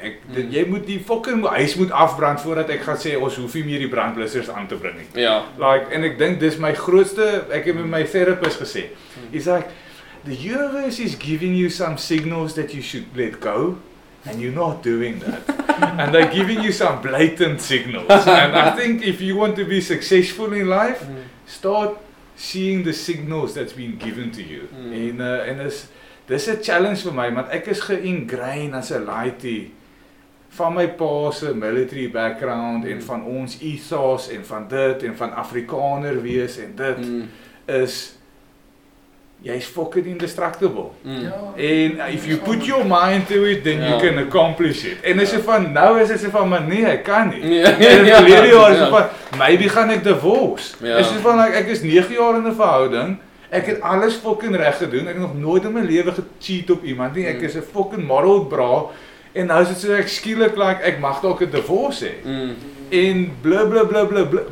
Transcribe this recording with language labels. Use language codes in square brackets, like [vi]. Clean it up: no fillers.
[af] Ek dit, jy moet die fucking huis moet afbrand voordat ek gaan sê ons hoef nie meer die brandblussers aan te bring nie. Ja. Like en ek dink dis my grootste ek het met my therapist gesê. [en] He's like the universe is giving you some signals that you should let go and you're not doing that. And they're giving you some blatant signals. And I think if you want to be successful in life, start seeing the signals that's been given to you. [af] En dis 'n challenge vir my, want ek is geingrain as 'n lighty van my pa se military background en van ons ethos en van dit en van Afrikaner wees en dit is jy's fucking indestructible. [en] En if you put your mind to it, then you can accomplish it. [af] En as jy van nou is as jy van maar nee, ek kan nie. Nee, in die verlede jaar is van maybe gaan ek divorce. Is jy van like, ek is 9 jaar in 'n verhouding. Ek het alles fucking reg gedoen. Ek het nog nooit in my lewe gecheat op iemand nie. Ek is 'n fucking moral bra. En nou is dit so ek skielik like ek mag dalk 'n divorce hê. En blub.